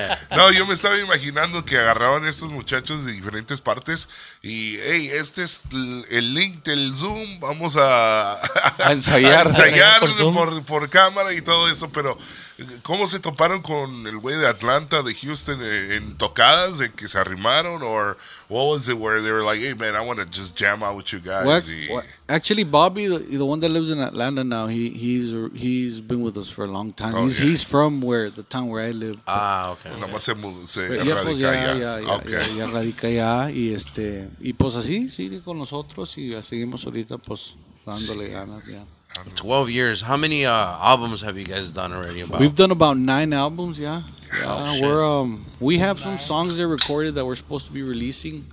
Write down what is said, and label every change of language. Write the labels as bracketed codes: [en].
[es] No, yo me estaba imaginando que agarraban estos muchachos de diferentes partes y, hey, este es el link del Zoom, vamos a ensayar por cámara y todo eso, pero... ¿Cómo se toparon con el güey de Atlanta, de Houston, en tocadas, de que se arrimaron? [en] Or what was it where they were like, hey man, I want to just jam out with you guys? Actually, Bobby, the one that lives in Atlanta now, he's been with us for a long time. Oh, he's from where the town where I live. Ah, okay. [es] No más se mudó, se radica allá. Ya radica allá y y pues así sigue con nosotros y seguimos ahorita pues dándole ganas ya. [en] 12 years. How many albums have you guys done already? About? We've done about 9 albums, yeah. Oh, we have some songs that recorded that we're supposed to be releasing.